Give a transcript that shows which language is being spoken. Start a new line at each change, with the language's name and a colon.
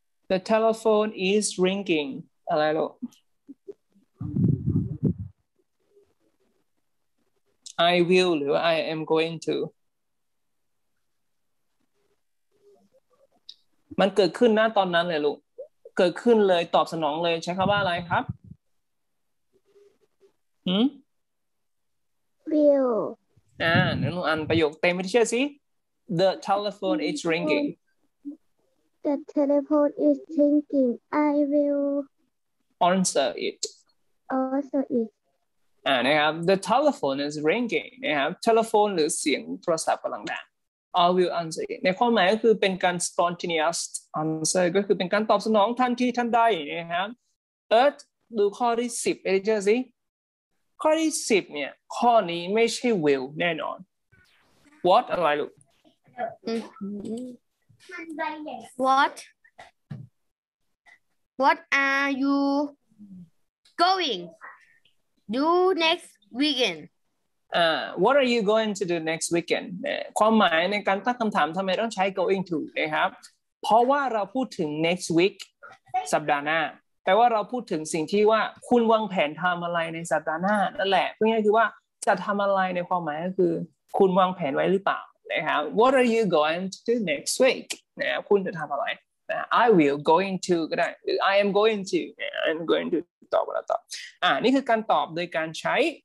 English: The telephone is ringing.
Thai: อะไรลูก
English: I will หรือ I am going to.
Thai: มันเกิดขึ้นหน้าตอนนั้นเลยลูกเกิดขึ้นเลยตอบสนองเลยใช้คำว่าอะไรครับ
English: Will.
Thai: นั่นอันประโยคเต็มไปที่เชื่อสิ
English: The telephone is ringing. The telephone is ringing. I will answer it. Answer it.
Thai: นะครับ
English: The telephone is ringing.
Thai: นะครับ telephone หรือเสียงโทรศัพท์กำลังดัง
English: I will answer it.
Thai: ในความหมายก็คือเป็นการ
English: spontaneous answer
Thai: ก็คือเป็นการตอบสนองทันทีทันใดนะครับดูข้อที่10ไปที่เชื่อสิ ข้อที่10เนี่ยข้อนี้ไม่ใช่ will แน่นอน what อะไรลูก
English: what are you going do next weekend what are you going to do next weekend
Thai: ความหมายในการตั้งคำถามทำไมต้องใช้ going to นะครับเพราะว่าเราพูดถึง next week สัปดาห์หน้าแปลว่าเราพูดถึงสิ่งที่ว่าคุณวางแผนทำอะไรในสัปดาห์หน้านั่นแหละเพราะคือว่าจะทำอะไรในความหมายก็คือคุณวางแผนไว้หรือเปล่านะครับ
English: What are you going to do next week
Thai: นะคุณจะทำอะไร
English: I will going to
Thai: ก็ได้หรือ
English: I am going to
Thai: I'm going to ตอบแล้วตอบนี่คือการตอบโดยการใช้